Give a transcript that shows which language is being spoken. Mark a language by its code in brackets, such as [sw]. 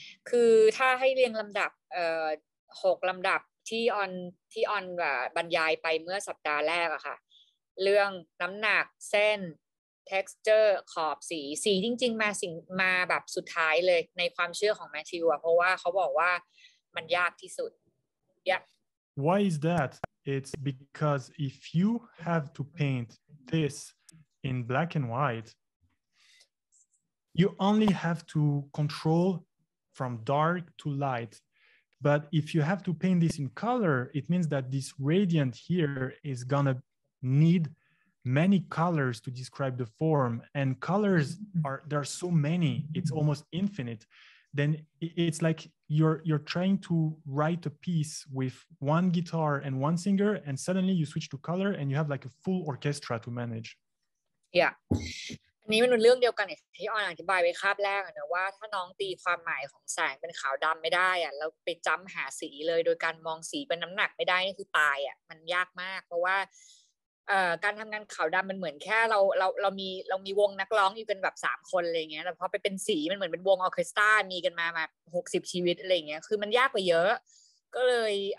[th] คือถ้าให้เรียงลำดับ6ลำดับที่ออนบรรยายไปเมื่อสัปดาห์แรกอะค่ะเรื่องน้ำหนักเส้น texture ขอบสีจริงๆมาแบบสุดท้ายเลยในความเชื่อของแมทธิวอะเพราะว่าเขาบอกว่ามันยากที่สุด [en] Yep. Why is that? It's because if you have to paint this in black and whiteYou only have to control from dark to light. But if you have to paint this in color, it means that this radiant here is gonna need many colors to describe the form. And colors, there are so many, it's almost infinite. Then it's like you're trying to write a piece with one guitar and one singer, and suddenly you switch to color and you have like a full orchestra to manage. Yeah. [th] นี่มันเป็นเรื่องเดียวกันที่ออนอธิบายไว้คาบแรกนะว่าถ้าน้องตีความหมายของแสงเป็นขาวดำไม่ได้อะเราไปจ้ำหาสีเลยโดยการมองสีเป็นน้ำหนักไม่ได้นี่คือตายอะมันยากมากเพราะว่าการทำงานขาวดำมันเหมือนแค่เรามีวงนักร้องอยู่กันแบบ3คนอะไรเงี้ยแต่พอไปเป็นสีมันเหมือนเป็นวงออเคสตรามีกันมา60ชีวิตอะไรเงี้ยคือมันยากกว่าเยอะก็เลย